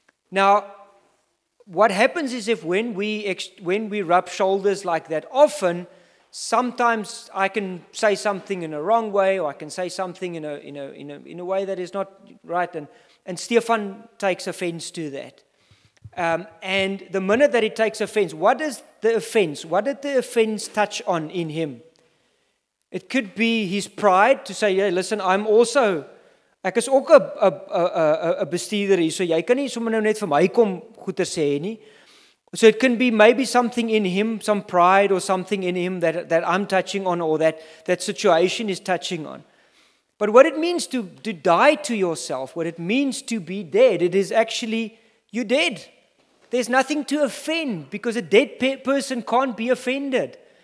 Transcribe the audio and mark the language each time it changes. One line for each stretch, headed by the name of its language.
English: Now, what happens is if when we rub shoulders like that, often, sometimes I can say something in a wrong way, or I can say something in a way that is not right, and Stefan takes offense to that. And the minute that he takes offense, what did the offense touch on in him? It could be his pride to say, "Yeah, listen, I'm also."
Afrikaans: Ek is ook 'n bestuurder hier, so jy kan nie sommer nou net vir my kom goed te sê nie.
English: So it can be maybe something in him, some pride or something in him that I'm touching on or that situation is touching on. But what it means to die to yourself, what it means to be dead, it is actually you're dead. There's nothing to offend because a dead person can't be offended.